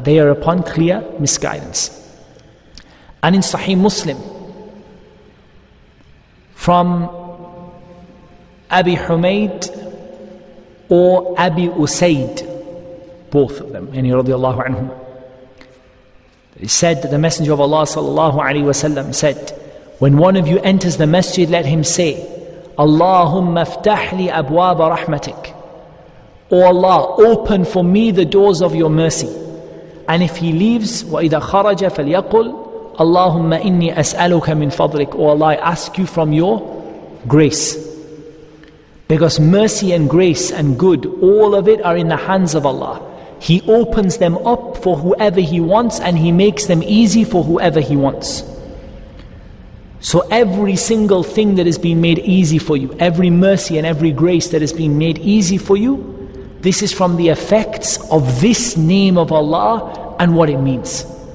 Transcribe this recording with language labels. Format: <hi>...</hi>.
<en>They are upon clear misguidance. And in Sahih Muslim, from Abi Humaid or Abi Usaid, both of them, yani radiallahu anhum, he said that the Messenger of Allah sallallahu alayhi wa sallam said, when one of you enters the masjid, let him say,</en> <ar>Allahumma iftah li abwab rahmatik.</ar> <en>O Allah, open for me the doors of your mercy. And if he leaves,</en> <ar>وَإِذَا خَرَجَ فَلْيَقُلْ اللَّهُمَّ إِنِّي أَسْأَلُكَ مِنْ فَضْلِكَ.</ar> <en>O Allah, I ask you from your grace. Because mercy and grace and good, all of it are in the hands of Allah. He opens them up for whoever he wants and he makes them easy for whoever he wants. So every single thing that is being made easy for you, every mercy and every grace that is being made easy for you, this is from the effects of this name of Allah and what it means.</en>